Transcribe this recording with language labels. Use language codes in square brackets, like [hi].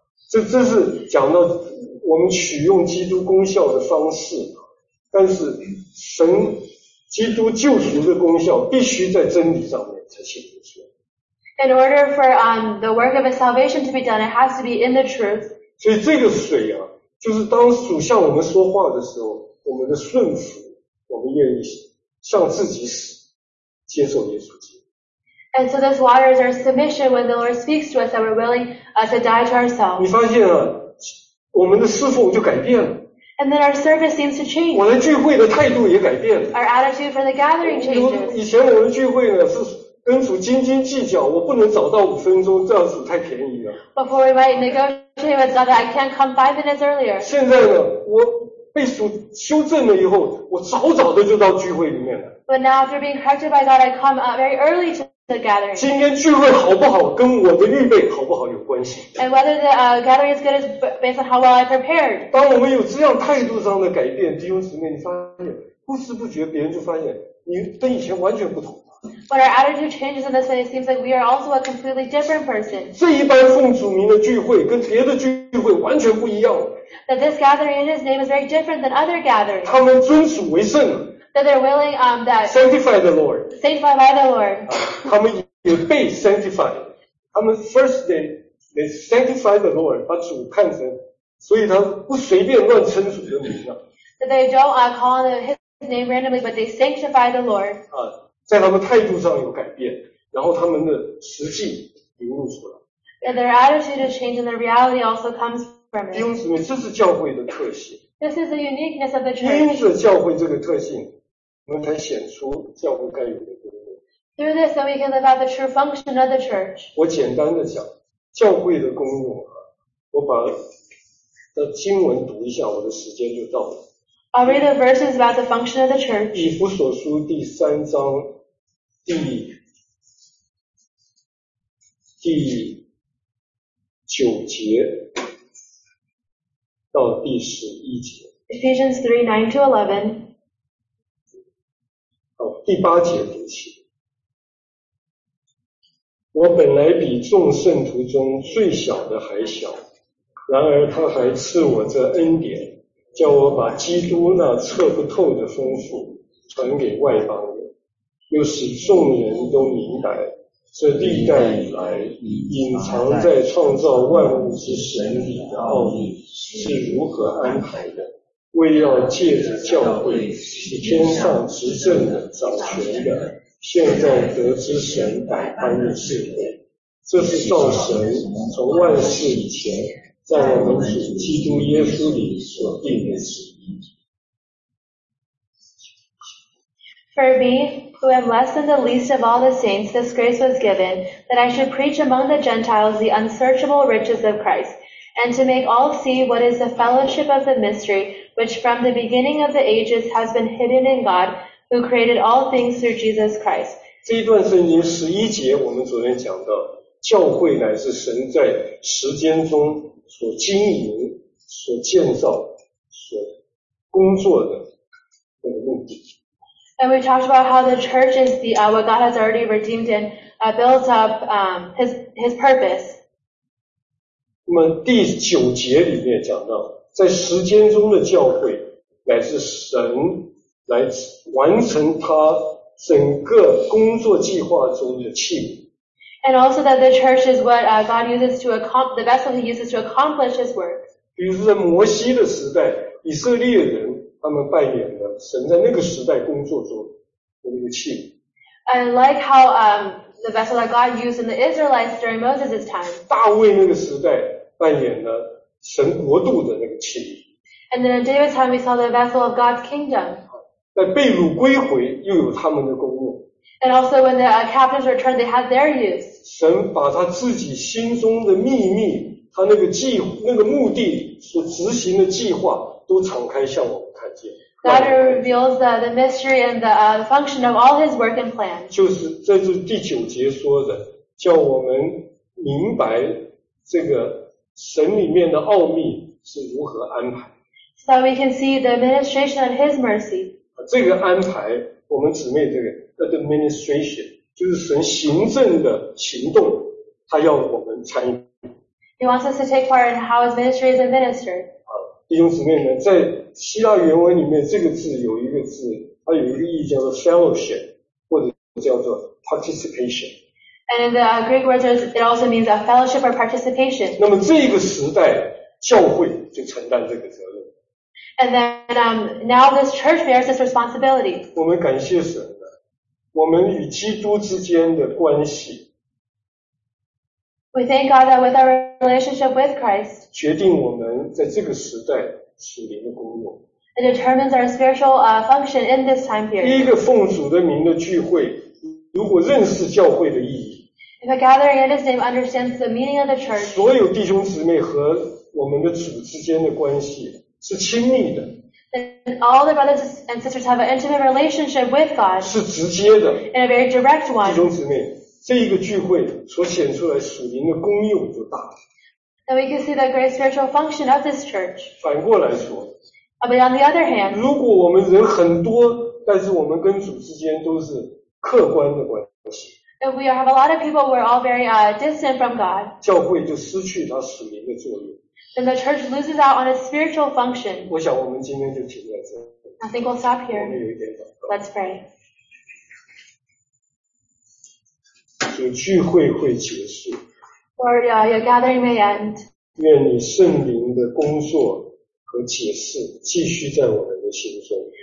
[zh] 这是讲到我们取用基督功效的方式，但是神基督救赎的功效必须在真理上面才显出来。 [en] In order for the work of a salvation to be done, it has to be in the truth. [zh] 所以这个水啊。就是当主向我们说话的时候，我们的顺服，我们愿意向自己死，接受耶稣基督。 [en] And so this water is our submission when the Lord speaks to us that we're willing to die to ourselves. [zh] 你发现啊，我们的侍奉就改变了。 [en] And then our service seems to change. [zh] 我来聚会的态度也改变了。 [en] Our attitude for the gathering changes. [zh] 以前我们聚会呢是跟主斤斤计较，我不能早到五分钟，这样子太便宜了。 [en] Before we might negotiate. I can't come 5 minutes earlier. [zh] 现在呢，我被主修正了以后，我早早的就到聚会里面了。 [en] But now, after being corrected by God, I come very early to the gathering. [zh] 今天聚会好不好，跟我的预备好不好有关系。 [en] And whether the gathering is good is based on how well I prepared. [zh] 当我们有这样态度上的改变，弟兄姊妹，你发现不知不觉别人就发现你跟以前完全不同。 [en] When our attitude changes in this way, it seems like we are also a completely different person. [zh] 这一般奉主名的聚会跟别的聚会完全不一样。 [en] That this gathering in His name is very different than other gatherings. [zh] 他们尊主为圣。 [en] That they're willing that sanctify the Lord. Sanctify by the Lord. [zh] 他们也被 sanctify. 他们 [en] first they sanctify the Lord, [zh] 把主看成，所以他不随便乱称主的名了。 [en] That they don't call His name randomly, but they sanctify the Lord. [zh] 在他们态度上有改变，然后他们的实际流露出来。 [en] And their attitude is changing, their reality also comes from it. [zh] 因此呢，这是教会的特性。 [en] This is the uniqueness of the church. [zh] 因此教会这个特性，我们才显出教会该有的功能。 [en] Through this, then we can live out the true function of the church. [zh] 我简单的讲，教会的功用啊，我把的经文读一下，我的时间就到了。 [en] I'll read the verses about the function of the church. [zh] 以弗所书第三章第九节到第十一节。 [en] Ephesians 3:9-11. [zh] 好，第八节读起。我本来比众圣徒中最小的还小，然而他还赐我这恩典。叫我把基督那测不透的丰富传给外邦人，又使众人都明白，这历代以来隐藏在创造万物之神里的奥秘是如何安排的，为要借着教会使天上执政的掌权的现在得知神百般的智慧，这是造神从万事以前在我们主基督耶稣里所定的旨意。 [en] For me, who am less than the least of all the saints, this grace was given, that I should preach among the Gentiles the unsearchable riches of Christ, and to make all see what is the fellowship of the mystery, which from the beginning of the ages has been hidden in God, who created all things through Jesus Christ. [zh] 这一段圣经十一节，我们昨天讲到，教会乃是神在时间中所经营、所建造、所工作的那个目的。 [en] And we talked about how the church is the what God has already redeemed and built up His purpose. [zh] 那么第九节里面讲到，在时间中的教会乃是神来完成他整个工作计划中的器皿。 [en] And also that the church is what God uses to accomplish, the vessel He uses to accomplish His work. [zh] 比如说在摩西的时代，以色列人他们扮演的神在那个时代工作中的那个器皿。 [en] And like how the vessel that God used in the Israelites during Moses' time. [zh] 大卫那个时代扮演了神国度的那个器皿。 [en] And then in David's time, we saw the vessel of God's kingdom. [zh] 在被掳归回，又有他们的功用。 [en] And also when the captives returned, they had their use. [zh] 神把他自己心中的秘密，他那个计那个目的所执行的计划，都敞开向我们看见。 [en] God reveals the mystery and the function of all His work and plan. [zh] 就是在这第九节说的，叫我们明白这个神里面的奥秘是如何安排。 [en] So that we can see the administration of His mercy. [zh] 这个安排，我们姊妹这个 administration 就是神行政的行动，他要我们参与。 [en] He wants us to take part in how His ministry is administered. [zh] 弟兄姊妹们，在希腊原文里面，这个字有一个字，它有一个意义叫做 fellowship， 或者叫做 participation。 [en] And in the Greek words, it also means a fellowship or participation. [zh] 那么这个时代，教会就承担这个责任。 [en] And then now this church bears this responsibility. [zh] 我们感谢神的，我们与基督之间的关系。 [en] We thank God that with our relationship with Christ, [zh] 决定我们在这个时代属灵的功用。 [en] It determines our spiritual function in this time period. [zh] 第一个奉主的名的聚会，如果认识教会的意义。 [en] If a gathering in His name understands the meaning of the church, [zh] 所有弟兄姊妹和我们的主之间的关系是亲密的。 [en] Then all the brothers and sisters have an intimate relationship with God. [zh] 是直接的。 [en] In a very direct one. [zh] 弟兄姊妹。这一个聚会所显出来属灵的功用就大了。 [en] And we can see the great spiritual function of this church. [zh] 反过来说。 [en] But on the other hand, [zh] 如果我们人很多，但是我们跟主之间都是客观的关系。 [en] If we have a lot of people, we're all very distant from God. [zh] 教会就失去它属灵的作用。 [en] Then the church loses out on its spiritual function. [zh] 我想我们今天就停在这 [en] 里。I think we'll stop here. [zh] 我们有一点祷告。 [en] Let's pray. [zh] 主聚会会结束。 [en] Lord, your gathering may end. [zh] 愿你圣灵的工作和解释继续在我们的心中。